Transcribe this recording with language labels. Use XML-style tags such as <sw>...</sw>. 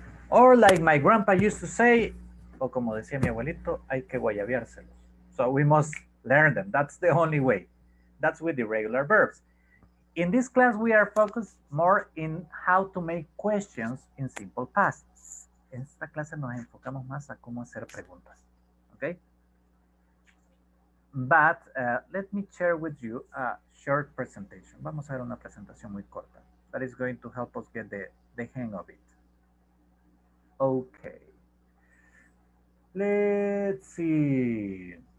<en>Or like my grandpa used to say,</en> <es>o como decía mi abuelito, hay que guayabiárselos.</es> <en>So we must learn them. That's the only way. That's with the regular verbs. In this class, we are focused more in how to make questions in simple past.</en> <es>En esta clase nos enfocamos más a cómo hacer preguntas.</es> <en>Okay? But let me share with you a short presentation.</en> <es>Vamos a ver una presentación muy corta.</es> <en>That is going to help us get the hang of it. Okay. Let's see.</en>